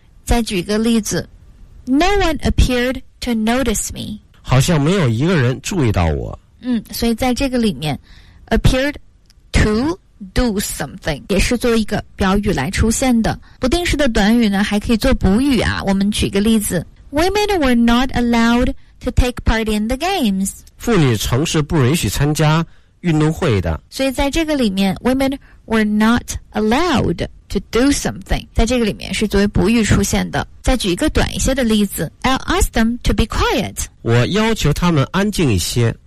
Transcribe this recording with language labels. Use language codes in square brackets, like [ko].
[zh] 再举一个例子， [en] No one appeared to notice me， [zh] 好像没有一个人注意到我。嗯，所以在这个里面 [en] appeared to do something [zh] 也是作为一个表语来出现的。不定式的短语呢还可以做补语啊。我们举一个例子， [en] Women were not allowed to take part in the games， [zh] 妇女曾是不允许参加运动会的。所以在这个里面 [en] Women were not allowed to do something， [zh] 在这个里面是作为补语出现的。再举一个短一些的例子， [en] I'll ask them to be quiet， [zh] 我要求他们安静一些。